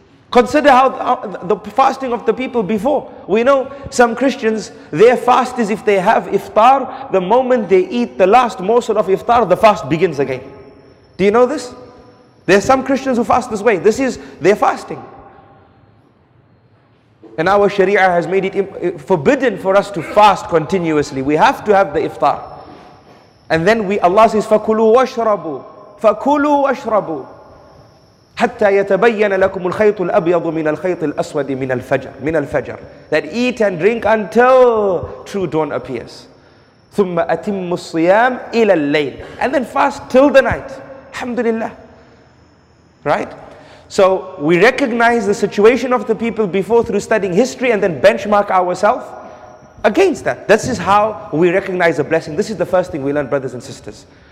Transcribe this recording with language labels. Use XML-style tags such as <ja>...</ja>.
<en>Consider how the fasting of the people before. We know some Christians, their fast is if they have iftar, the moment they eat the last morsel of iftar, the fast begins again. Do you know this? There are some Christians who fast this way. This is their fasting. And our Sharia has made it forbidden for us to fast continuously. We have to have the iftar. And then Allah says,</en> <ar>فَكُلُوا وَاشْرَبُوا فَكُلُوا وَاشْرَبُوا حَتَّى يَتَبَيَّنَ لَكُمُ الْخَيْطُ الْأَبْيَضُ مِنَ الْخَيْطِ الْأَسْوَدِ مِنَ الْفَجَرِ مِنَ الْفَجَرِ</ar> <en>That eat and drink until true dawn appears.</en> <ar>ثُمَّ أَتِمُّ الصِّيَامِ إِلَى اللَّيْلِ</ar> <en>And then fast till the night. Alhamdulillah. Right? So we recognize the situation of the people before through studying history and then benchmark ourselves against that. This is how we recognize a blessing. This is the first thing we learn, brothers and sisters.</en>